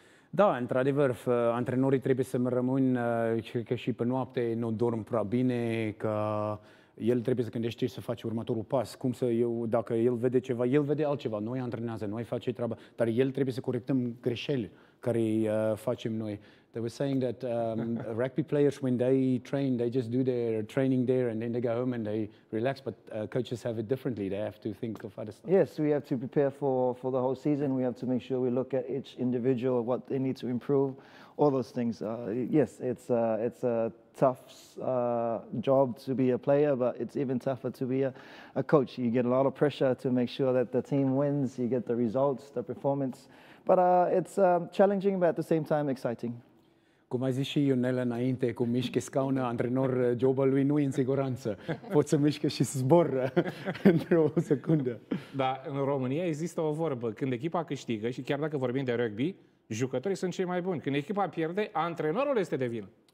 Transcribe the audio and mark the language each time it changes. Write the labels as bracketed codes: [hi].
[ro] Da, într-adevăr, antrenorii trebuie să rămân, cred că și pe noapte nu dorm prea bine, că el trebuie să gândește ce să faci următorul pas, cum să eu, dacă el vede ceva, el vede altceva, noi antrenează, noi face treaba, dar el trebuie să corectăm greșeli care facem noi. [en] They were saying that rugby players, when they train, they just do their training there and then they go home and they relax, but coaches have it differently, they have to think of other stuff. Yes, we have to prepare for the whole season, we have to make sure we look at each individual, what they need to improve, all those things. Yes, it's a tough job to be a player, but it's even tougher to be a coach. You get a lot of pressure to make sure that the team wins, you get the results, the performance, but it's challenging, but at the same time exciting. [ro] Cum a zis și Ionel înainte, cum mișcă scaună, antrenor, jobul lui nu e în siguranță. Poți să mișcă și să zbori într-o secundă. Da, în România există o vorbă. Când echipa câștigă, și chiar dacă vorbim de rugby, jucătorii sunt cei mai buni. Când echipa pierde, antrenorul este de vină.